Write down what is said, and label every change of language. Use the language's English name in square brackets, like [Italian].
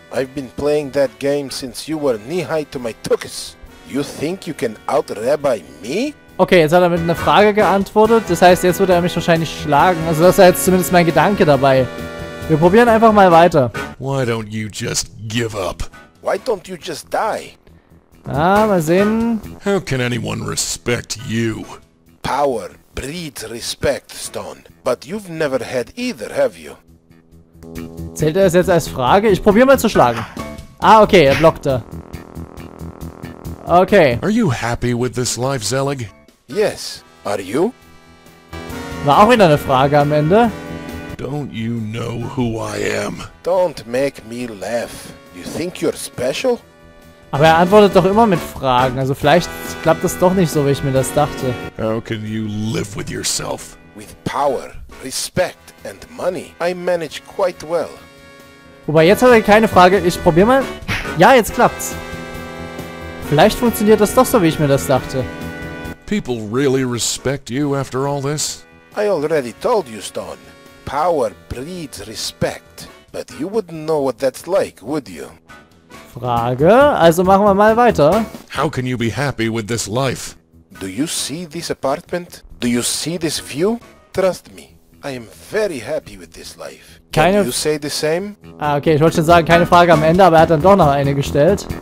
[English] I've been playing that game since you were knee-high to my tuchus. You think you can out-rabbi me? [German] Okay, jetzt hat er mit einer Frage geantwortet. Das heißt, jetzt wird er mich wahrscheinlich schlagen. Also das ist jetzt zumindest mein Gedanke dabei. Wir probieren einfach mal weiter. [English] Why don't you just give up? Why don't you just die? [German] Ah, mal sehen. [English] How can anyone respect you? Power breeds respect, Stone. But you've never had either, have you? [German] Zählt er es jetzt als Frage? Ich probiere mal zu schlagen. Ah, okay, er blockte. Okay. [English] Are you happy with this life, Zelig? Yes. Are you? [German] War auch wieder eine Frage am Ende. [English] Don't you know who I am? Don't make me laugh. You think you're special? [German] Aber er antwortet doch immer mit Fragen. Also vielleicht klappt das doch nicht so, wie ich mir das dachte. [English] How can you live with yourself? With power, respect and money, I manage quite well. [German] Wobei, jetzt hat er keine Frage. Ich probiere mal. Ja, jetzt klappt's. Vielleicht funktioniert das doch so, wie ich mir das dachte. [English] People really respect you after all this? I already told you, Stone. Power breeds respect. But you wouldn't know what that's like, would you? [German] Frage? Also machen wir mal weiter. [English] How can you be happy with this life? Do you see this apartment? Do you see this view? Trust me, I am very happy with this life. [German] Keine... [English] Can you say the same? [German] Ah, okay, ich wollte schon sagen, keine Frage am Ende, aber er hat dann doch noch eine gestellt.